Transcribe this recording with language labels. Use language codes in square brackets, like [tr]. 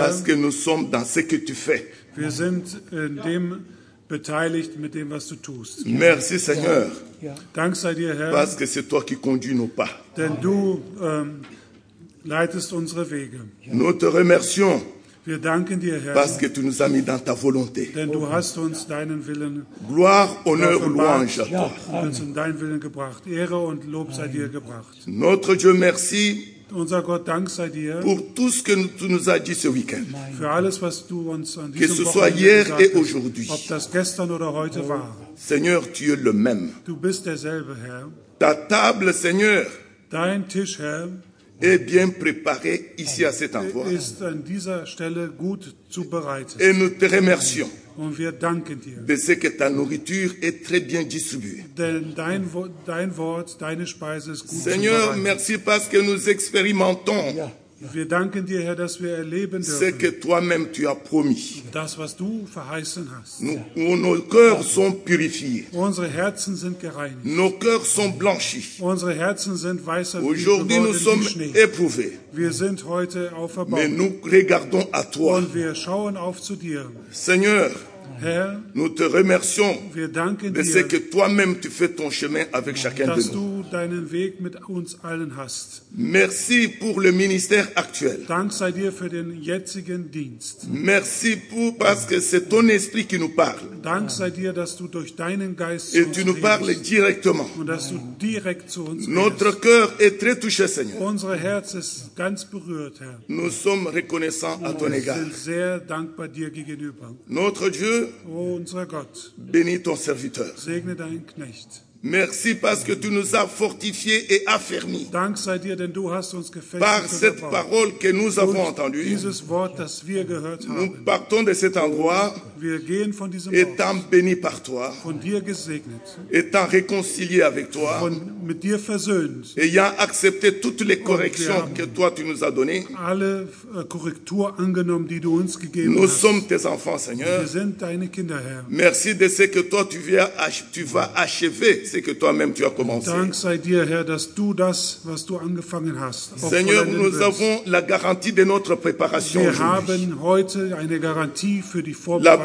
[fr] Parce que nous sommes dans ce que tu fais. [de] Wir sind in dem beteiligt mit dem, was du tust. [fr] Ja. Merci, Seigneur. [de] Dank sei dir, Herr. [fr] Parce que c'est toi qui conduis nos pas. [de] Denn du leitest unsere Wege. [fr] Ja. Nous te remercions. [de] Wir danken dir, Herr, [fr] parce que tu nous as mis dans ta volonté. [de] Denn du hast uns deinen Willen [fr] gloire, honneur, louange à [de] toi. Uns in deinen Willen gebracht. Ehre und Lob sei dir gebracht. [fr] Notre Dieu, merci. [de] Unser Gott, dank sei dir. [fr] Pour tout ce que tu nous as dit ce week-end. [de] Für alles, was du uns an diesem Wochenende gesagt hast. [fr] Que ce soit hier et aujourd'hui. [de] Ob das gestern oder heute war. [fr] Seigneur, tu es le même. [de] Du bist derselbe, Herr. [fr] Ta table, Seigneur. [de] Dein Tisch, Herr. [fr] Est bien préparé ici à cet endroit. [de] Ist an dieser Stelle gut zubereitet. [fr] Et nous te remercions. [de] Und wir danken dir. [fr] De ce que ta nourriture est très bien distribuée. [de] Denn dein Wort, deine Speise ist gut zubereitet. [fr] Seigneur, merci parce que nous expérimentons. [de] Wir danken dir, Herr, dass wir erleben dürfen. [fr] Ce que toi-même tu as promis. [de] Das, was du verheißen hast. [fr] Nos cœurs sont purifiés. [de] Unsere Herzen sind gereinigt. [fr] Nos cœurs sont blanchis. [de] Unsere Herzen sind weißer [fr] aujourd'hui [de] wie geworden, [fr] nous [de] wie [fr] sommes éprouvés. [de] Wir sind heute auf erbaut. [fr] Mais nous regardons à toi. [de] Und wir schauen auf zu dir. [fr] Seigneur, [de] Herr, [fr] nous te remercions [de] wir danken [fr] de [de] dir, [fr] ce que toi-même tu fais ton chemin avec chacun de nous. [de] Dass du deinen Weg mit uns allen hast. [fr] Merci pour le ministère actuel. [de] Dank sei dir für den jetzigen Dienst. [fr] Merci pour, parce que c'est ton esprit qui nous parle. [de] Dank sei dir, dass du durch deinen Geist [fr] et tu nous parles directement. [de] Und dass du direkt zu uns [fr] notre cœur est très touché, Seigneur. [de] Unser Herz ist ganz berührt, Herr. [fr] Nous sommes reconnaissants à ton égard. [de] Wir sind sehr dankbar dir gegenüber. [fr] Notre Dieu, [de] oh, unser Gott, [fr] bénis ton serviteur. [de] Segne deinen Knecht. [fr] Merci parce que tu nous as fortifiés et affermis. [de] Dank sei dir, denn du hast uns gefestigt. [fr] Par cette parole que nous avons entendue, [de] dieses Wort, das wir gehört haben. [fr] Nous partons de cet endroit. [de] Wir gehen von diesem [fr] étant [de] Ort. [fr] Béni par toi. [de] Von dir gesegnet. [fr] Étant réconcilié avec toi. [de] Von mit dir versöhnt. [fr] Ayant accepté toutes les corrections que toi tu nous as données. [de] Alle Korrektur angenommen, die du uns gegeben hast. [fr] Nous sommes tes enfants, Seigneur. [de] Wir sind deine Kinder, Herr. [fr] Merci de ce que toi tu vas achever. C'est que toi-même tu as commencé. [de] Dank sei dir, Herr, dass du das, was du angefangen hast, [fr] Seigneur, nous avons la garantie de notre préparation. [de] Wir haben heute eine Garantie für die Vorbereitung.